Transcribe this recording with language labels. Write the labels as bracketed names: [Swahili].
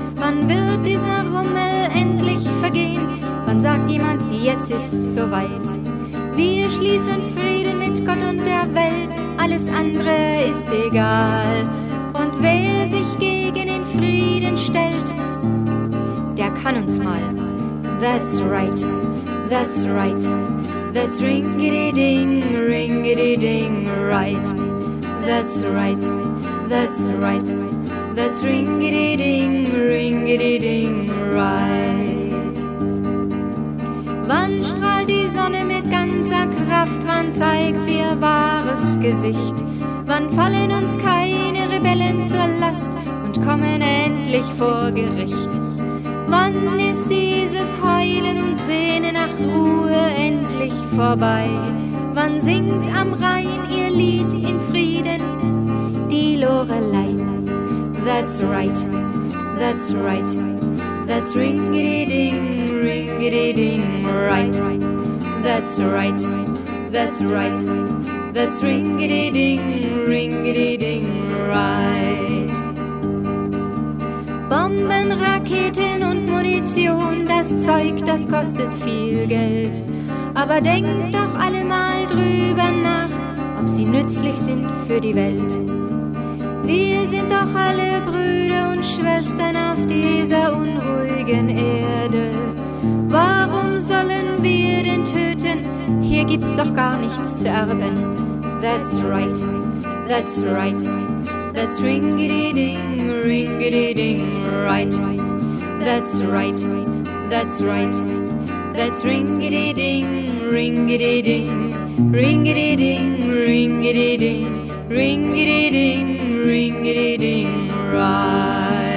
[German] Wann wird dieser Rummel endlich vergehen? Wann sagt jemand, jetzt ist soweit? Wir schließen Frieden mit Gott und der Welt, alles andere ist egal. Und wer sich gegen den Frieden stellt, der kann uns mal. [English] That's right, that's right, that's ring-a-dee-ding, ring-a-dee-ding, right. That's right, that's right, that's ring-a-dee-ding, ring-a-dee-ding, right. [German] Wann strahlt die Sonne mit ganzer Kraft, wann zeigt sie ihr wahres Gesicht? Wann fallen uns keine Rebellen zur Last und kommen endlich vor Gericht? Wann ist dieses Heulen und Sehnen nach Ruhe endlich vorbei? Wann singt am Rhein ihr Lied in Frieden, die Lorelei? [English] That's right, that's right, that's ring-a-dee-ding, ring-a-dee-ding, right. That's right, that's right, that's ring-a-dee-ding, ring-a-dee-ding, right. [German] Bomben, Raketen und Munition, das Zeug, das kostet viel Geld. Aber denkt doch alle mal drüber nach, ob sie nützlich sind für die Welt. Wir sind doch alle Brüder und Schwestern auf dieser unruhigen Erde. Warum sollen wir denn töten? Hier gibt's doch gar nichts zu erben. [English] That's right, that's right. That's ring-a-dee-ding, ring-a-dee-ding, right. That's right, that's right. That's ring-a-dee-ding, ring-a-dee-ding, ring-a-dee-ding, ring-a-dee-ding, ring-a-dee-ding, ring-a-dee-ding, right.